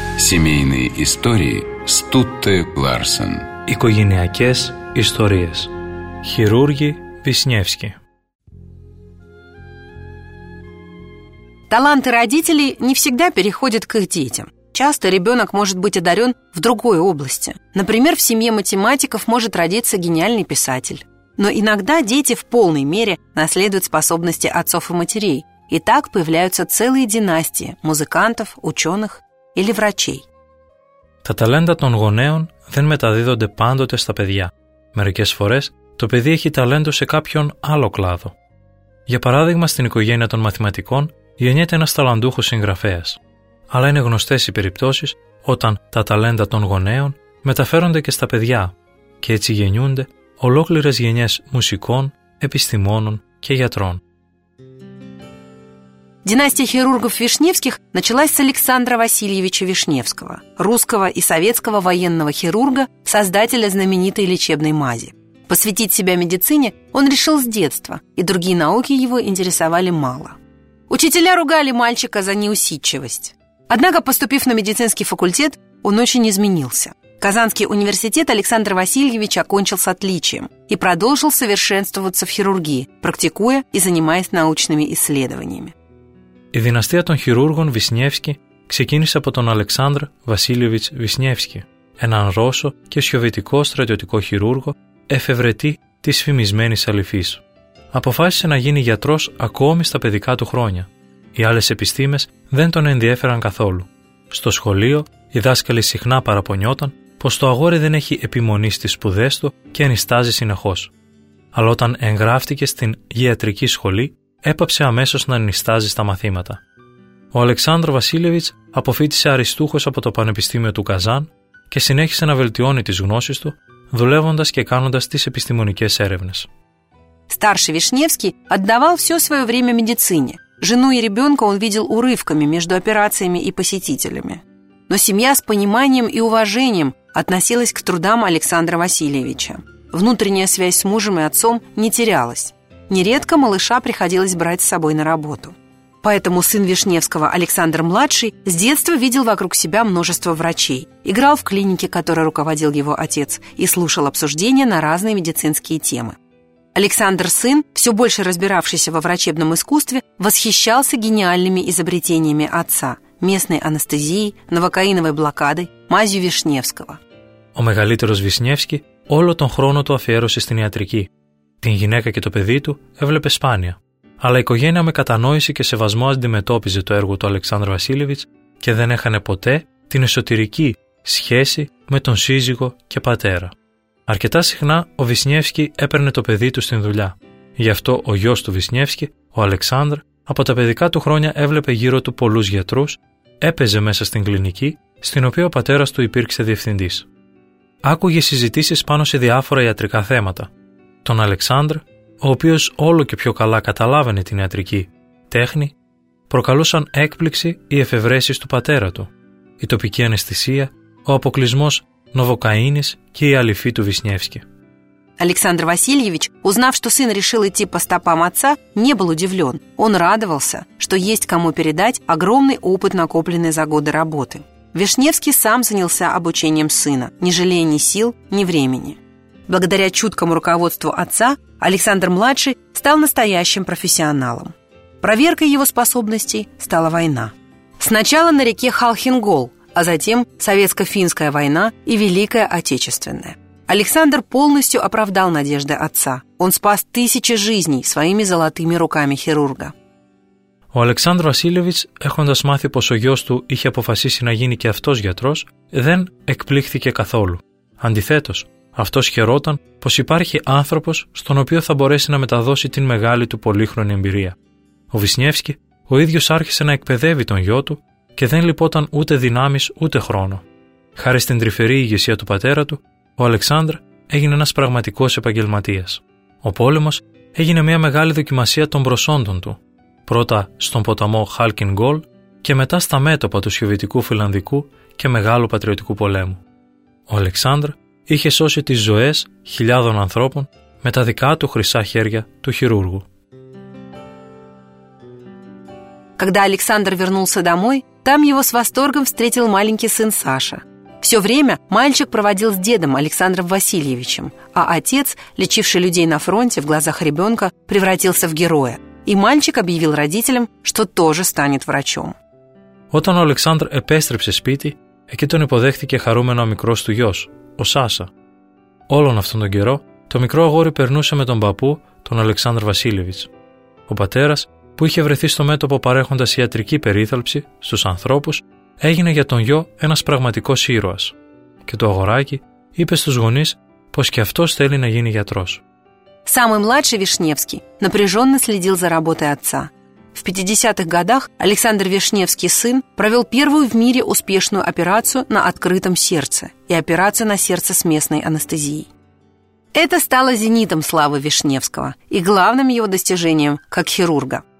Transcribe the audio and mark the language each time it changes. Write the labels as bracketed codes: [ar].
[ru] Семейные истории Стутте Ларсен. [el] Οικογενειακές ιστορίες. Χειρούργη Вишневский. [ru] Таланты родителей не всегда переходят к их детям. Часто ребенок может быть одарен в другой области. Например, в семье математиков может родиться гениальный писатель. Но иногда дети в полной мере наследуют способности отцов и матерей. И так появляются целые династии музыкантов, ученых или врачей. [el] Τα ταλέντα των γονέων δεν μεταδίδονται πάντοτε στα παιδιά. Μερικές φορές το παιδί έχει ταλέντο σε κάποιον άλλο κλάδο. Για παράδειγμα, στην οικογένεια των μαθηματικών γεννιέται ένας ταλαντούχος συγγραφέας. Αλλά είναι γνωστές οι περιπτώσεις όταν τα ταλέντα των γονέων μεταφέρονται και στα παιδιά και έτσι γεννιούνται ολόκληρες γενιές μουσικών, επιστημόνων και γιατρών. [ru] Династия хирургов Вишневских началась с Александра Васильевича Вишневского, русского и советского военного хирурга, создателя знаменитой лечебной мази. Посвятить себя медицине он решил с детства, и другие науки его интересовали мало. Учителя ругали мальчика за неусидчивость. Однако, поступив на медицинский факультет, он очень изменился. Казанский университет Александр Васильевич окончил с отличием и продолжил совершенствоваться в хирургии, практикуя и занимаясь научными исследованиями. [el] Η δυναστεία των χειρούργων Βισνιεύσκη ξεκίνησε από τον Αλεξάνδρ Βασίλειοβιτς Βισνιεύσκη, έναν Ρώσο και σιωβητικό στρατιωτικό χειρούργο, εφευρετή της φημισμένης αληφής. Αποφάσισε να γίνει γιατρός ακόμη στα παιδικά του χρόνια. Οι άλλες επιστήμες δεν τον ενδιέφεραν καθόλου. Στο σχολείο, οι δάσκαλοι συχνά παραπονιόταν πως το αγόρι δεν έχει επιμονή στις σπουδές του και ανιστάζει συνεχώς. Αλλά όταν εγγράφτηκε στην ιατρική σχολή, έπαψε αμέσως να νηστάζει στα μαθήματα. Ο Αλεξάνδρ Βασίλειοβιτς αποφύτησε αριστούχος από το Πανεπιστήμιο του Καζάν και συνέχισε να βελτιώνει τις γνώσεις του, δουλεύοντας και κάνοντας τις επιστημονικές έρευνες. [ru] Старший Вишневский отдавал всё своё время медицине. Жену и ребёнка он видел урывками между операциями и посетителями. Но семья с пониманием и уважением относилась к трудам Александра Васильевича. Внутренняя связь с мужем и отцом не терялась. Нередко малыша приходилось брать с собой на работу. Поэтому сын Вишневского, Александр-младший, с детства видел вокруг себя множество врачей, играл в клинике, которой руководил его отец, и слушал обсуждения на разные медицинские темы. Александр-сын, все больше разбиравшийся во врачебном искусстве, восхищался гениальными изобретениями отца – местной анестезией, новокаиновой блокадой, мазью Вишневского. [el] Ο μεγαλύτερος Вишневский όλο τον χρόνο του αφιέρωσε στην ιατρική. Την γυναίκα και το παιδί του έβλεπε σπάνια. Αλλά η οικογένεια με κατανόηση και σεβασμό αντιμετώπιζε το έργο του Αλεξάνδρου Βασίλειοβιτς και δεν έχανε ποτέ την εσωτερική σχέση με τον σύζυγο και πατέρα. Αρκετά συχνά ο Βισνιεύσκι έπαιρνε το παιδί του στην δουλειά. Γι' αυτό ο γιος του Βισνιεύσκι, ο Αλεξάνδρ, από τα παιδικά του χρόνια έβλεπε γύρω του πολλούς γιατρούς, έπαιζε μέσα στην κλινική, στην οποία ο πατέρας του υπήρξε διευθυντής. Άκουγε συζητήσεις πάνω σε διάφορα ιατρικά θέματα. Τον Αλεξάνδρ, ο οποίος όλο και πιο καλά καταλάβαινε την ιατρική τέχνη, προκαλούσαν έκπληξη οι εφευρέσεις του πατέρα του, η τοπική αναισθησία, ο αποκλεισμός νοβοκαίνης και η αληφή του Βισνιεύσκη. [ru] Александр Васильевич, узнав, что сын решил идти по стопам отца, не был удивлен. Он радовался, что есть кому передать огромный опыт, накопленный за годы работы. Вишневский сам занялся обучением сына, не жалея ни сил, ни времени. Благодаря чуткому руководству отца, Александр-младший стал настоящим профессионалом. Проверкой его способностей стала война. Сначала на реке Халхин-Гол, а затем Советско-финская война и Великая Отечественная. Александр полностью оправдал надежды отца. Он спас тысячи жизней своими золотыми руками хирурга. [el] Ο Александр Васильевич, έχοντας μάθει πως ο γιος του είχε αποφασίσει να γίνει και αυτός γιατρός, δεν εκπλήχθηκε καθόλου. Αντιθέτως, αυτός χαιρόταν πως υπάρχει άνθρωπος στον οποίο θα μπορέσει να μεταδώσει την μεγάλη του πολύχρονη εμπειρία. Ο Βισνιεύσκι, ο ίδιος άρχισε να εκπαιδεύει τον γιο του και δεν λυπόταν ούτε δυνάμεις ούτε χρόνο. Χάρη στην τρυφερή ηγεσία του πατέρα του, ο Αλεξάνδρ έγινε ένας πραγματικός επαγγελματίας. Ο πόλεμος έγινε μια μεγάλη δοκιμασία των προσόντων του, πρώτα στον ποταμό Χάλκιν Γκολ και μετά στα μέτωπα του Σοβιετικού Φιλανδικού και Μεγάλου Πατριωτικού Πολέμου. Ο Αλεξάνδρ είχε σώσει τις ζωές χιλιάδων ανθρώπων με τα δικά του χρυσά χέρια του χειρούργου. [ru] Когда Александр вернулся домой, там его с восторгом встретил маленький сын Саша. Все время мальчик проводил с дедом Александром Васильевичем, а отец, лечивший людей на фронте в глазах ребенка, превратился в героя. И мальчик объявил родителям, что тоже станет врачом. [el] Όταν ο Αλεξάνδρ επέστρεψε σπίτι, εκεί τον υποδέχτηκε χαρούμενο ο μικρός του γιος, ο Σάσα. Όλον αυτόν τον καιρό, το μικρό αγόρι περνούσε με τον παππού, τον Αλεξάνδρ Βασίλεβιτς. Ο πατέρας, που είχε βρεθεί στο μέτωπο παρέχοντας ιατρική περίθαλψη στους ανθρώπους, έγινε για τον γιο ένας πραγματικός ήρωας. Και το αγοράκι είπε στους γονείς πως και αυτός θέλει να γίνει γιατρός. [ru] Самый младший Вишневский напряженно следил за работой отца. В 50-х годах Александр Вишневский, сын, провел первую в мире успешную операцию на открытом сердце и операцию на сердце с местной анестезией. Это стало зенитом славы Вишневского и главным его достижением как хирурга.